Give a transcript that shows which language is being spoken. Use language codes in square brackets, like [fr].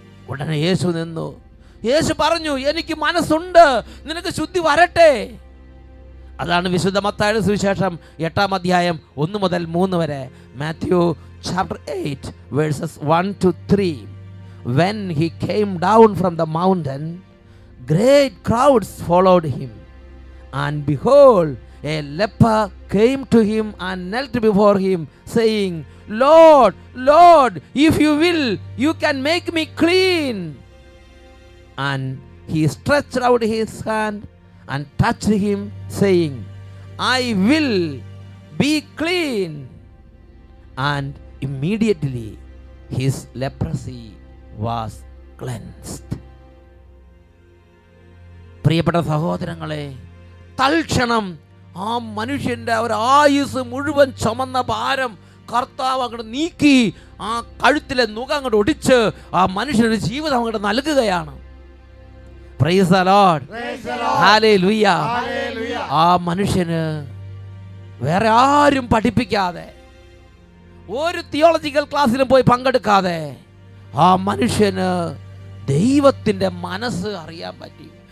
[ml] ഉടനെ യേശു നിന്നു, യേശു പറഞ്ഞു, എനിക്ക് മനസ്സുണ്ട്, നിനക്ക് ശുദ്ധി വരട്ടെ. അതാണ് വിശുദ്ധ മത്തായിയുടെ സുവിശേഷം 8:1-3, Matthew 8:1-3. [en] When he came down from the mountain, great crowds followed him. And behold, a leper came to him and knelt before him, saying, Lord, Lord, if you will, you can make me clean. And he stretched out his hand and touched him, saying, I will be clean. And immediately his leprosy was cleansed. [ml] പ്രിയപ്പെട്ട സഹോദരങ്ങളെ, തൽക്ഷണം ആ മനുഷ്യൻ്റെ ഒരു ആയുസ് മുഴുവൻ ചുമന്ന ഭാരം കർത്താവ് അങ്ങോട്ട് നീക്കി, ആ കഴുത്തിലെ നുക അങ്ങോട്ട് ഒടിച്ച് ആ മനുഷ്യനൊരു ജീവിതം അങ്ങോട്ട് നൽകുകയാണ്. [en] praise the Lord, [ml] hallelujah. ആ മനുഷ്യന് വേറെ ആരും പഠിപ്പിക്കാതെ, ഒരു തിയോളജിക്കൽ ക്ലാസ്സിലും പോയി പങ്കെടുക്കാതെ, ആ മനുഷ്യന് ദൈവത്തിൻ്റെ മനസ്സ് അറിയാൻ പറ്റി.